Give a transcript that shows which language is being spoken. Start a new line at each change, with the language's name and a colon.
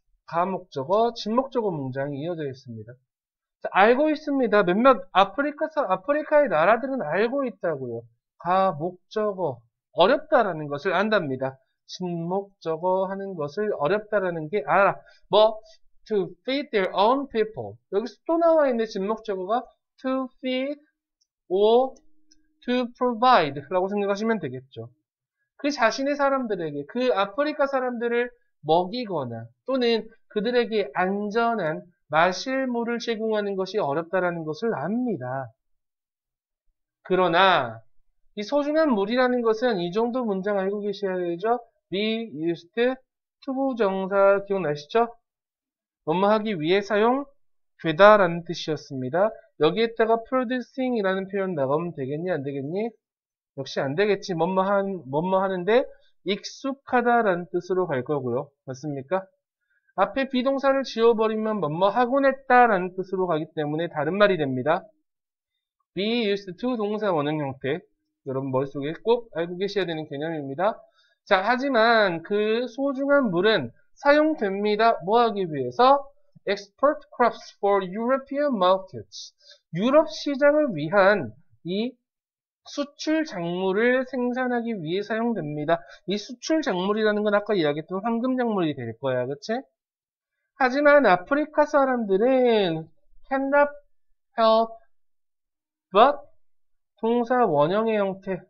Korean: 다목적어, 진목적어 문장이 이어져 있습니다. 자, 알고 있습니다. 몇몇 아프리카의 나라들은 알고 있다고요. 다목적어. 어렵다라는 것을 안답니다. 진목적어 하는 것을 어렵다라는 게 알아.
English: 뭐, to feed their own people.
Korean: 여기서 또 나와 있는 진목적어가
English: to feed or to provide
Korean: 라고 생각하시면 되겠죠. 그 자신의 사람들에게, 그 아프리카 사람들을 먹이거나 또는 그들에게 안전한 마실 물을 제공하는 것이 어렵다라는 것을 압니다. 그러나 이 소중한 물이라는 것은 이 정도 문장 알고 계셔야 되죠. be used to 정사 기억나시죠? 뭐뭐하기 위해 사용 되다라는 뜻이었습니다. 여기에다가 producing 이라는 표현 나가면 되겠니, 안 되겠니? 역시 안 되겠지. 뭐뭐 하는데 익숙하다라는 뜻으로 갈 거고요. 맞습니까? 앞에 비동사를 지워버리면 뭐뭐 하곤 했다라는 뜻으로 가기 때문에 다른 말이 됩니다. be used to 동사 원형 형태. 여러분 머릿속에 꼭 알고 계셔야 되는 개념입니다. 자, 하지만 그 소중한 물은 사용됩니다. 뭐 하기 위해서?
English: Export crops for European markets.
Korean: 유럽 시장을 위한 이 수출 작물을 생산하기 위해 사용됩니다. 이 수출 작물이라는 건 아까 이야기했던 황금 작물이 될 거야, 그치? 하지만 아프리카 사람들은
English: cannot help but
Korean: 동사 원형의 형태.